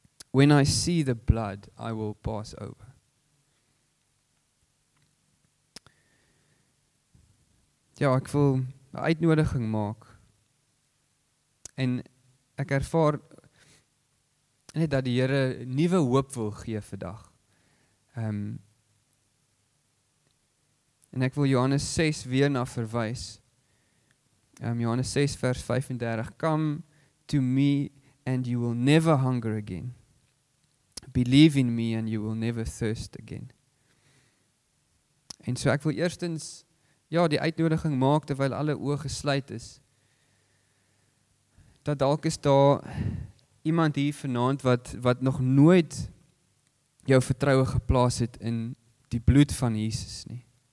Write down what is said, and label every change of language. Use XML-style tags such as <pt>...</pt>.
<en>When I see the blood, I will pass over.</en> <af>Ja, ek wil 'n uitnodiging maak. En ek ervaar net dat die Here nuwe hoop wil gee vandag. En ek wil Johannes 6 weer na verwys. Johannes 6 vers 35.</af> <en>Come to me and you will never hunger again. Believe in me and you will never thirst again.</en> <af>En so ek wil eerstens die uitnodiging maak terwyl alle oë gesluit is. Dat dalk is daar iemand hier vanaand wat nog nooit jou vertroue geplaas het in die bloed van Jesus nie.</af>